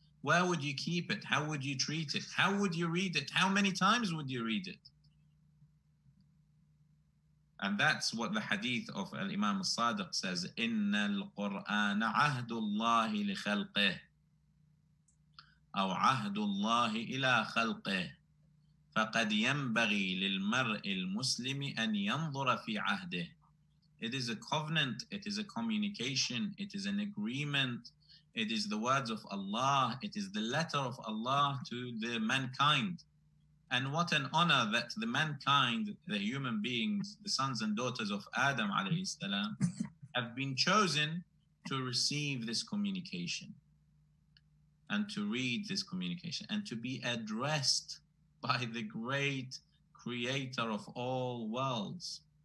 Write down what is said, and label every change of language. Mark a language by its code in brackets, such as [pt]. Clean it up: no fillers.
[en] Where would you keep it? How would you treat it? How would you read it? How many times would you read it? And that's what the hadith of Al-Imam al-Sadiq says, [ar] إِنَّ الْقُرْآنَ عَهْدُ اللَّهِ لِخَلْقِهِ أَوْ عَهْدُ اللَّهِ إِلَىٰ خَلْقِهِ فَقَدْ يَنْبَغِي لِلْمَرْءِ الْمُسْلِمِ أَنْ يَنْظُرَ فِي عَهْدِهِ. [en] It is a covenant, it is a communication, it is an agreement, it is the words of Allah, it is the letter of Allah to the mankind. And what an honor that the mankind, the human beings, the sons and daughters of Adam alayhi salam, have been chosen to receive this communication and to read this communication and to be addressed by the great creator of all worlds.